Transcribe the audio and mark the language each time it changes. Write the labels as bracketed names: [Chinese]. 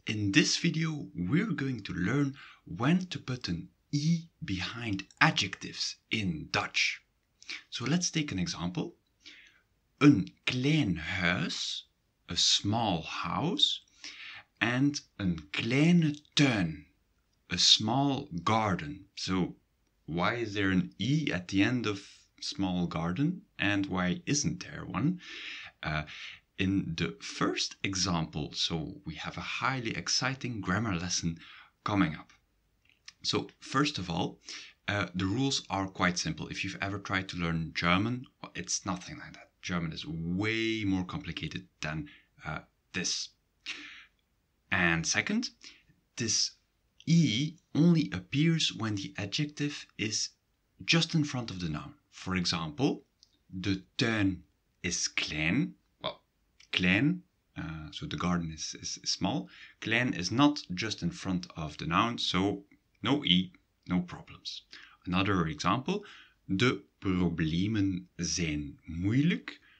[English] In this video, we're going to learn when to put an E behind adjectives in Dutch. So let's take an example. [Dutch] Een klein huis, [English] a small house, and [Dutch] een kleine tuin, [English] a small garden. So why is there an E at the end of small garden and why isn't there one? In the first example, so we have a highly exciting grammar lesson coming up. So first of all, the rules are quite simple. If you've ever tried to learn German, well, it's nothing like that. German is way more complicated than this. And second, this E only appears when the adjective is just in front of the noun. [Dutch] For example, de tuin is klein. Klein, [English] so the garden is small. Klein is not just in front of the noun, so no E, no problems. Another example, [Dutch] de problemen zijn moeilijk.